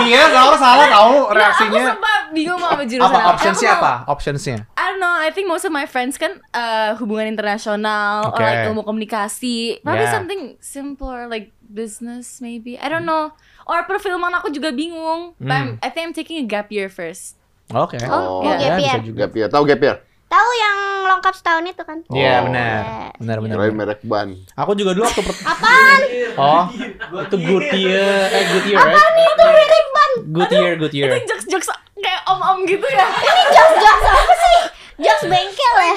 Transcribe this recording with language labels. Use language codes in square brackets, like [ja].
[id] Iya, kalau salah tahu reaksinya. Aku sempat bingung mau ambil jurusan apa. Apa? Options-nya? [en] I don't know, I think most of my friends [id] kan hubungan internasional, [en] okay. Or like [id] ilmu komunikasi. [en] Probably yeah. Something simpler like business maybe. I don't know. Or [id] perfilman aku juga bingung. [en] But I think I'm taking a gap year first. [id] Oke. [en] Okay. Gap year. [id] Tahu gap year? Tahu yang lengkap setahun itu kan? Iya, yeah, benar. Benar. Kirain merek ban. Aku juga dulu waktu apaan? Oh. Itu Goodyear. Apaan itu merek ban? Goodyear. Itu jokes kayak om-om gitu ya. Ini jokes apa sih? Jokes bengkel ya.